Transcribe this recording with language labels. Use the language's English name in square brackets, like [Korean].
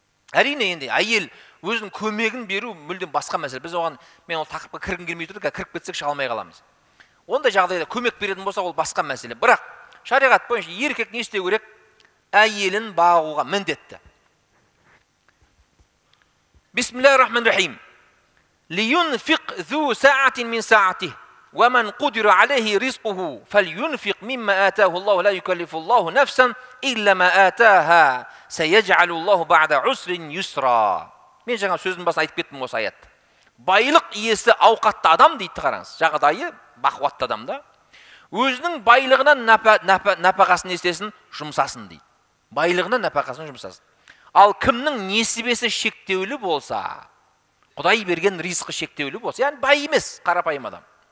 [Kazakh] Әрине енді әйел өзінің көмегін беру мүлдем басқа мәселе. Біз оған, мен ол тақырыпқа кіргім келмей тұр, кіріп кетсек шыға алмай қаламыз. Ондай жағдайда көмек беретін болса, ол басқа мәселе. Бірақ шариғат бойынша еркек не істеу керек? Әйелін бағуға міндетті. [Arabic] Бисмиллахир-рахманир-рахим. لينفق ذو ساعة من ساعته ومن قدر عليه رزقه فلينفق مما آتاه الله لا يكلف الله نفسا إلا ما آتاها سيجعل الله بعد عسر يسرا. [Kazakh] Мен жаңа сөздің басын айтып кеттім осы аятты. Байлық иесі ауқатты адам дейді қараңыз. Жағдайы бақуатты адам да. Өзінің байлығынан нәпақасын естесін жұмсасын дейді. Байлығынан нәпақасын жұмсасын. Ал кімнің несібесі шектеулі болса, Құдай берген ризқы шектеулі болса, яғни бай емес қарапайым адам.